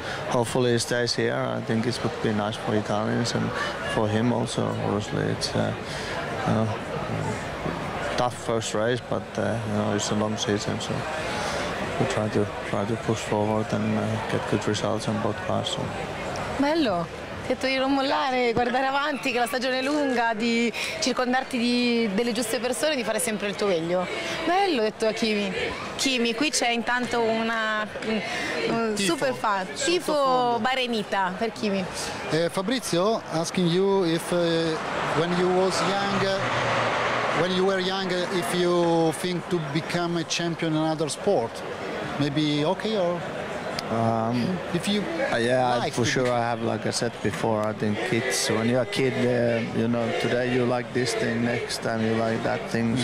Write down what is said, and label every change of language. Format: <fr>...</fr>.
<en>Hopefully he stays here. I think it would be nice for Italians and for him also. Obviously, it's tough first race, but it's a long season, so we try to push forward and get good results on both cars. So.</en> <it>Bello. detto di non mollare, guardare avanti, che la stagione è lunga, di circondarti di delle giuste persone, di fare sempre il tuo meglio. Bello, ho detto a Kimi. Kimi, qui c'è intanto una tifo, super fan, tipo barenita per Kimi.</it> <en>Fabrizio, asking you if when you was young, when you were young, if you think to become a champion in another sport, maybe hockey or if you I have, like I said before, I think kids, when you're a kid, you know, today you like this thing, next time you like that thing.</en>